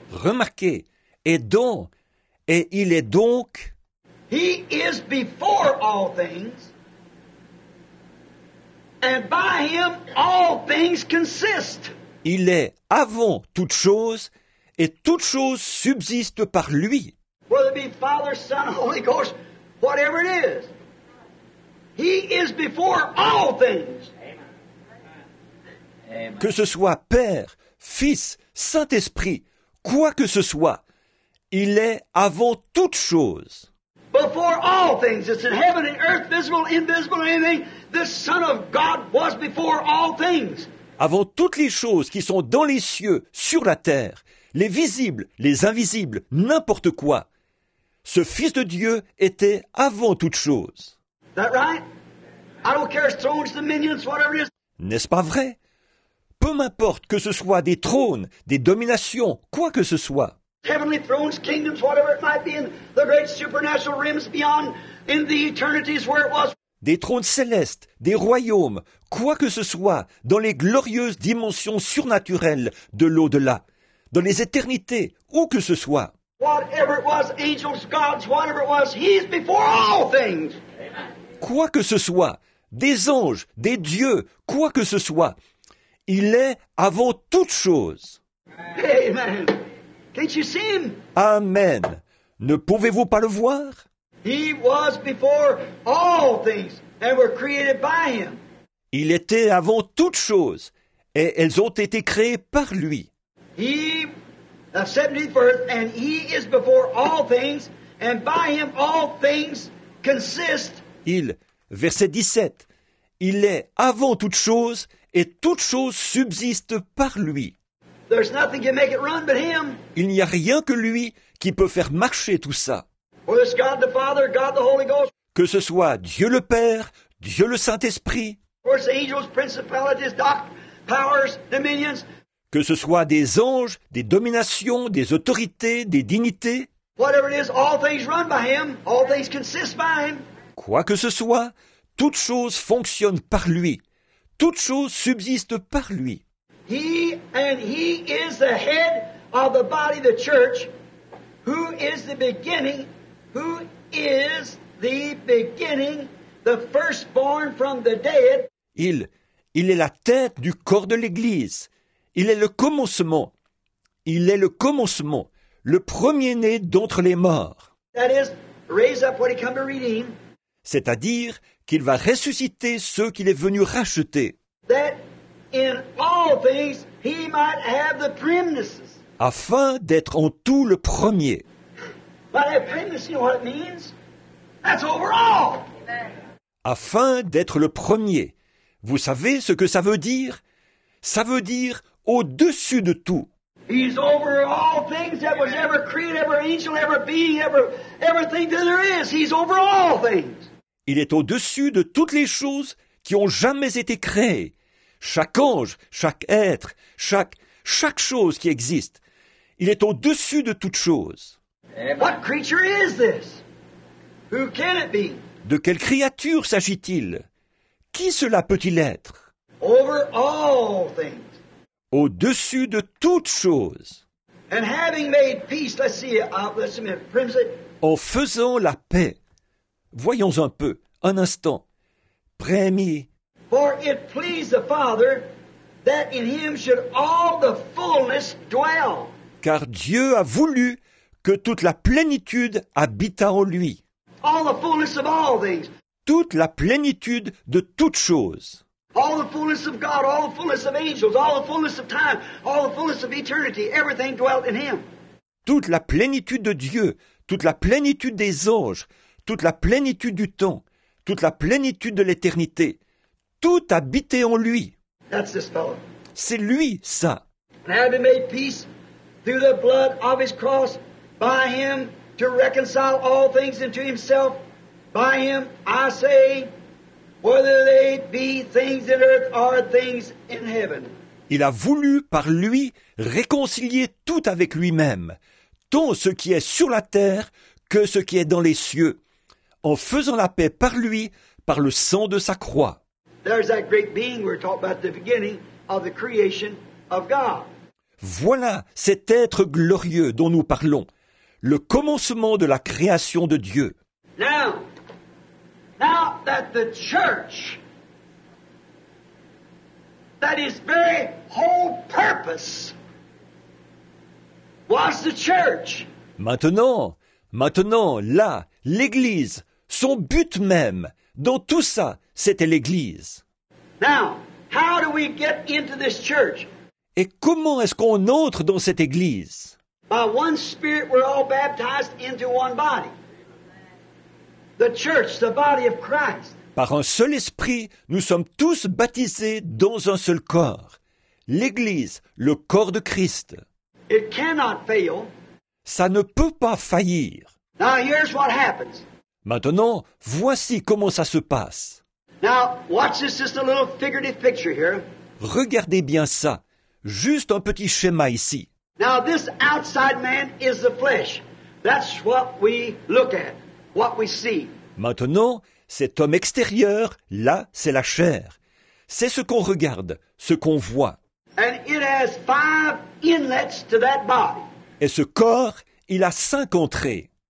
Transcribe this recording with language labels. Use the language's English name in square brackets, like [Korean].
[French] Remarquez, et il est donc. [English] He is before all things, and by him all things consist. [French] Il est avant toute chose, et toute chose subsiste par lui. [English] Whether it be Father, Son, Holy Ghost, whatever it is, he is before all things. [French] Que ce soit Père, Fils, Saint-Esprit, quoi que ce soit, il est avant toute chose. [English] Before all things, it's in heaven and earth, visible, invisible, anything, the Son of God was before all things. [French] Avant toutes les choses qui sont dans les cieux, sur la terre, les visibles, les invisibles, n'importe quoi, ce Fils de Dieu était avant toute chose. [English] That right? I don't care if thrones, dominions, whatever it is. [French] N'est-ce pas vrai? Peu m'importe que ce soit des trônes, des dominations, quoi que ce soit. [English] Heavenly thrones, kingdoms, whatever it might be, in the great supernatural realms beyond, in the eternities where it was. [French] Des trônes célestes, des royaumes, quoi que ce soit, dans les glorieuses dimensions surnaturelles de l'au-delà, dans les éternités, où que ce soit. [English] Whatever it was, angels, gods, whatever it was, he's before all things. [French] Quoi que ce soit, des anges, des dieux, quoi que ce soit, il est avant toute chose. [English] Amen. Can't you see him? [French] Amen. Ne pouvez-vous pas le voir? [English] He was before all things and were created by him. [French] Il était avant toute chose et elles ont été créées par lui. [English] He the 70th birth and he is before all things and by him all things consist. [French] Il, verset 17. Il est avant toute chose et toute chose subsiste par lui. [English] There's nothing can make it run but him. [French] Il n'y a rien que lui qui peut faire marcher tout ça. [English] Whether it's God the Father, God the Holy Ghost. [French] Que ce soit Dieu le Père, Dieu le Saint-Esprit. [English] Or it's angels, principalities, powers, dominions. [French] Que ce soit des anges, des dominations, des autorités, des dignités. [English] Whatever it is, all things run by him. All things consist by him. [French] Quoi que ce soit, toute chose fonctionne par lui. Toute chose subsiste par lui. [English] He and he is the head of the body, the church, who is the beginning, who is the beginning, the firstborn from the dead. [French] Il est la tête du corps de l'Église. Il est le commencement. Il est le commencement, le premier-né d'entre les morts. [English] That is, raise up what he come to redeem. [French] C'est-à-dire qu'il va ressusciter ceux qu'il est venu racheter. [English] That in all things he might have the preeminences. [French] Afin d'être en tout le premier. [English] By that preeminence, you know what it means? That's overall. Amen. [French] Afin d'être le premier. Vous savez ce que ça veut dire? Ça veut dire au-dessus de tout. [English] He's over all things that was ever created, every angel, every being, everything that there is. He's over all things. [French] Il est au-dessus de toutes les choses qui ont jamais été créées. Chaque ange, chaque être, chaque chose qui existe. Il est au-dessus de toute chose. [English] What creature is this? Who can it be? [French] De quelle créature s'agit-il? Qui cela peut-il être? [English] Over all things. [French] Au-dessus de toute chose. [English] And having made peace, let's see, let's see, Primzit. [French] En faisant la paix. Voyons un peu, un instant. Prémi. [English] For it pleased the Father that in him should all the fullness dwell. [French] Car Dieu a voulu que toute la plénitude habita en lui. [English] All the fullness of all things. [French] Toute la plénitude de toutes choses. [English] All the fullness of God, all the fullness of angels, all the fullness of time, all the fullness of eternity, everything dwelt in him. [French] Toute la plénitude de Dieu, toute la plénitude des anges, toute la plénitude du temps, toute la plénitude de l'éternité, tout habitait en lui. [English] That's this fellow. [French] C'est lui, ça. [English] And having made peace through the blood of his cross, by him to reconcile all things unto himself, by him I say, whether they be things in earth or things in heaven. [French] Il a voulu par lui réconcilier tout avec lui-même, tant ce qui est sur la terre que ce qui est dans les cieux, en faisant la paix par lui, par le sang de sa croix. [English] There's that great being we're talking about at the beginning of the creation of God. [French] Voilà cet être glorieux dont nous parlons, le commencement de la création de Dieu. [English] Now, now that the church, that is very whole purpose, was the church. [French] Maintenant, là, l'Église, son but même, dans tout ça, c'était l'Église. [English] Now, how do we get into this church? [French] Et comment est-ce qu'on entre dans cette Église? [English] By one Spirit, we're all baptized into one body. The church, the body of Christ. [French] Par un seul esprit, nous sommes tous baptisés dans un seul corps. L'Église, le corps de Christ. [English] It cannot fail. [French] Ça ne peut pas faillir. [English] Now here's what happens. [French] Maintenant, voici comment ça se passe. [English] Now, watch this, just a little figurative picture here. [French] Regardez bien ça. Juste un petit schéma ici. [English] Now this outside man is the flesh. That's what we look at. What we see. [French] Maintenant, cet homme extérieur, là, c'est la chair. C'est ce qu'on regarde, ce qu'on voit. [English] And it has five inlets to that body. [French] Et ce corps, il a cinq entrées.